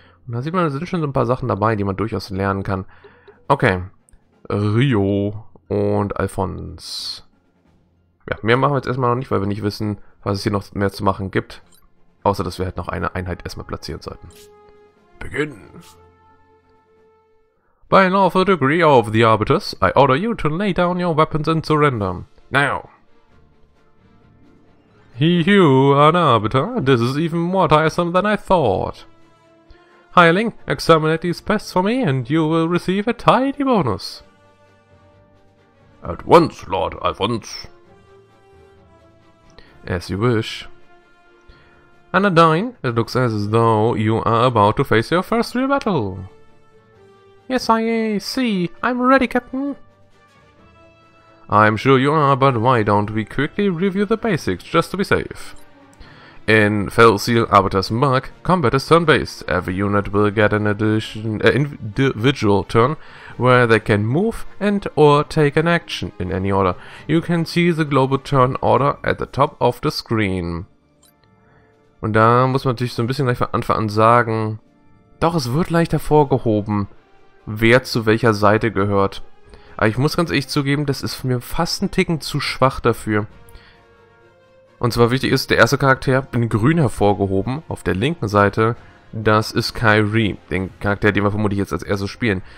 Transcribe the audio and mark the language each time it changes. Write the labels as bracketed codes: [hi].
[de] Und da sieht man, da sind schon so ein paar Sachen dabei, die man durchaus lernen kann. Okay, Rio und Alphons. Ja, mehr machen wir jetzt erstmal noch nicht, weil wir nicht wissen, was es hier noch mehr zu machen gibt. Außer, dass wir halt noch eine Einheit erstmal platzieren sollten. Beginnen! [en] By law of the degree of the Arbiters, I order you to lay down your weapons and surrender. Now! You are an Arbiter? This is even more tiresome than I thought. Hireling, exterminate these pests for me and you will receive a tidy bonus. At once, Lord Alphons. As you wish. Anodyne, it looks as though you are about to face your first real battle. Yes, I see. I'm ready, Captain. I'm sure you are, but why don't we quickly review the basics, just to be safe. In Felseal Arbiter's Mark, combat is turn-based. Every unit will get an individual turn, where they can move and or take an action in any order. You can see the global turn order at the top of the screen. [de] Und da muss man natürlich so ein bisschen gleich von Anfang an sagen, doch es wird leicht hervorgehoben, wer zu welcher Seite gehört. Aber ich muss ganz ehrlich zugeben, das ist mir fast ein Ticken zu schwach dafür. Und zwar wichtig ist, der erste Charakter in grün hervorgehoben, auf der linken Seite, das ist Kyrie, den Charakter, den wir vermutlich jetzt als erstes spielen.